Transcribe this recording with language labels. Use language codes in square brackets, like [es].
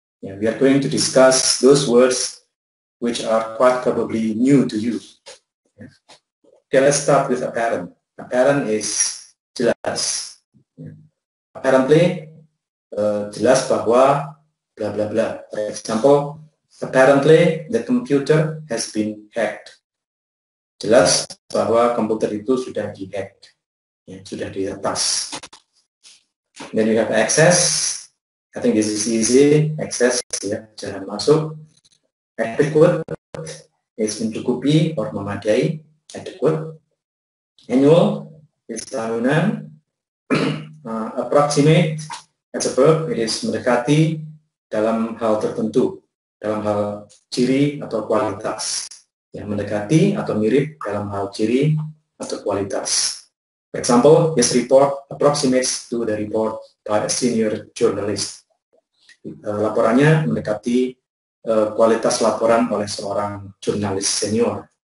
[en] Yeah, we are going to discuss those words which are quite probably new to you. Okay, let's start with apparent. Apparent is jelas. [id] Apparently, jelas bahwa blah blah blah. [en] For example, apparently the computer has been hacked. [id] Jelas bahwa komputer itu sudah dihack. Ya, sudah diretas. [en] Then we have access. I think this is easy. Access, ya, [id] jalan masuk. [en] Adequate is mencukupi or memadai. Adequate. Annual is [id] tahunan. [en] Approximate as a verb, it is [id] mendekati dalam hal tertentu, dalam hal ciri atau kualitas. Ya, mendekati atau mirip dalam hal ciri atau kualitas. [en] For example, this report approximates to the report by a senior journalist. [id] Laporannya mendekati kualitas laporan oleh seorang jurnalis senior.